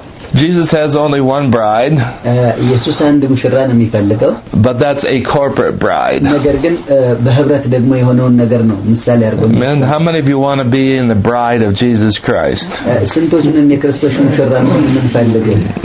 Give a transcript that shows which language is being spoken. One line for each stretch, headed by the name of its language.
English: Jesus has only one bride.
Amharic: ኢየሱስ አንድ ሙሽራ ነው የሚፈልገው.
English: But that's a corporate bride.
Amharic: ነገር ግን በህብረት ደግሞ የሆነውን ነገር ነው ምሳሌ አርጎኝ.
English: Man, how many of you want to be in the bride of Jesus Christ?
Amharic: ስንቶች ነን የክርስቶስ ሙሽራ ነን የምንፈልገው?